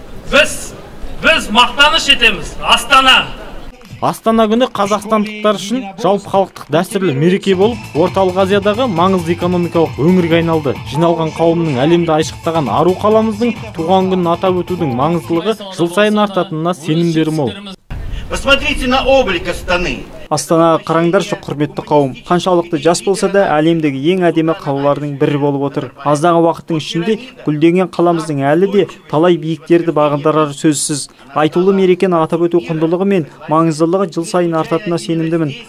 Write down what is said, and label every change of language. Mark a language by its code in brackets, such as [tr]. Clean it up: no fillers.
[kk] Біз мақтаныш етеміз, Астана! Астана күні қазақстандықтар үшін жалпы халықтық дәстүрлі мереке болып, Орталық Азиядағы маңызды экономикалық өңірге айналды. Жиналған қауымның әлемді айшықтаған ару қаламыздың туған күнін атап өтудің маңыздылығы жыл сайын артатынына сенімдері мол. [ru] Посмотрите на облик Астаны. [kk] Астанаға қараңдаршы, құрметті қауым. Қаншалықты жас болса да, әлемдегі ең әдемі қалалардың бірі болып отыр. Аздаған уақыттың ішінде гүлденген қаламыздың әлі де талай биіктерді бағындырары сөзсіз. Айтулы мерекені атап өту құндылығы мен маңыздылығы жыл сайын артатынына сенімдімін.